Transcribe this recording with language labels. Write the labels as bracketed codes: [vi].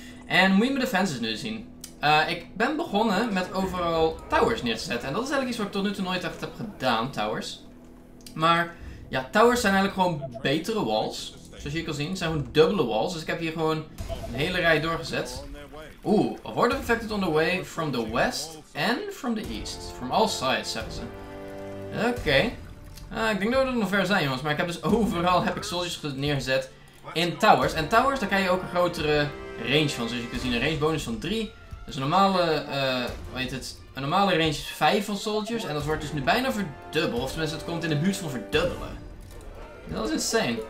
[nl] En moet je mijn defenses nu zien? Ik ben begonnen met overal towers neer te zetten. En dat is eigenlijk iets wat ik tot nu toe nooit echt heb gedaan, towers. Maar ja, towers zijn eigenlijk gewoon betere walls. Zoals je kan zien. Het zijn gewoon dubbele walls. Dus ik heb hier gewoon een hele rij doorgezet. [en] Oeh, a horde infected on the way from the west and from the east. From all sides, [nl] zeggen ze. Oké. [en] Okay. [nl] Ik denk dat we er nog ver zijn, jongens. Maar ik heb dus overal heb ik soldiers neergezet in towers. En towers, daar kan je ook een grotere... range van, zoals je kunt zien, een range bonus van 3. Dus een normale, een normale range is 5 van soldiers. En dat wordt dus nu bijna verdubbeld. Of tenminste, het komt in de buurt van verdubbelen. Dat is insane.